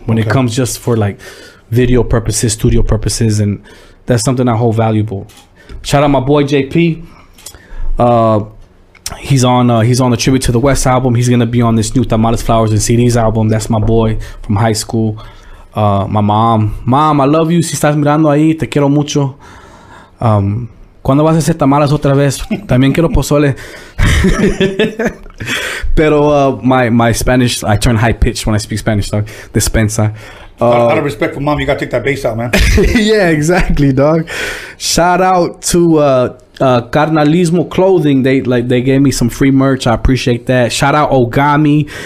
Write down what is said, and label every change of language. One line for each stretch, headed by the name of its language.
English: When it comes just for like video purposes, studio purposes, and that's something I hold valuable. Shout out my boy JP. He's on the Tribute to the West album. He's gonna be on this new Tamales Flowers and CDs album. That's my boy from high school. My mom, I love you.
Spanish: Si estás mirando ahí, te quiero mucho. Cuando vas a hacer tamales otra vez, también quiero pozole.
English: Pero my Spanish, I turn high pitched when I speak Spanish, dog.
Spanish: Dispensa.
English: Out of respect for mom, you gotta take that bass out, man. Yeah, exactly, dog. Shout out to Carnalismo Clothing. They gave me some free merch. I appreciate that. Shout out Ogami.